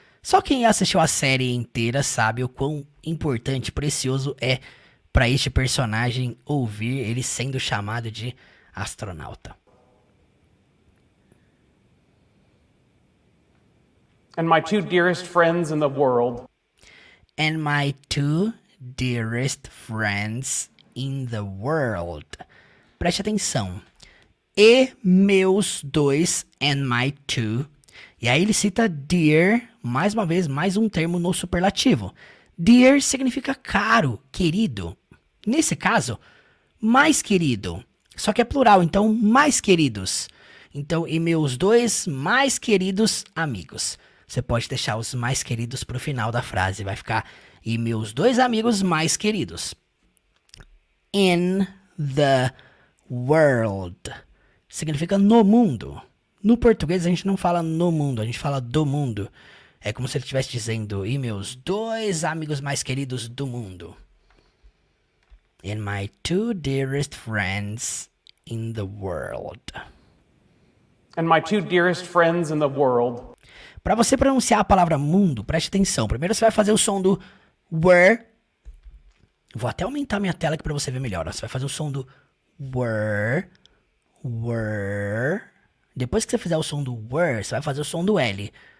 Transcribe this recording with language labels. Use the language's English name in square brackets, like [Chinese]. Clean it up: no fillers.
[Portuguese] Só quem assistiu a série inteira sabe o quão importante e precioso é para este personagem ouvir ele sendo chamado de astronauta. [English] And my two dearest friends in the world. And my two dearest friends in the world. [Portuguese] Preste atenção. E meus dois, [English] and my two. [Portuguese] E aí ele cita dear, mais uma vez, mais um termo no superlativo. Dear significa caro, querido. Nesse caso, mais querido. Só que é plural, então mais queridos. Então, e meus dois mais queridos amigos. Você pode deixar os mais queridos pro final da frase. Vai ficar, e meus dois amigos mais queridos. [English] In the world. [Portuguese] Significa no mundo. No português, a gente não fala no mundo, a gente fala do mundo. É como se ele estivesse dizendo, e meus dois amigos mais queridos do mundo. [English] And my two dearest friends in the world. And my two dearest friends in the world. [Portuguese] Para você pronunciar a palavra mundo, preste atenção. Primeiro você vai fazer o som do were. Vou até aumentar minha tela aqui para você ver melhor. Você vai fazer o som do were. Were. Depois que você fizer o som do were, você vai fazer o som do L.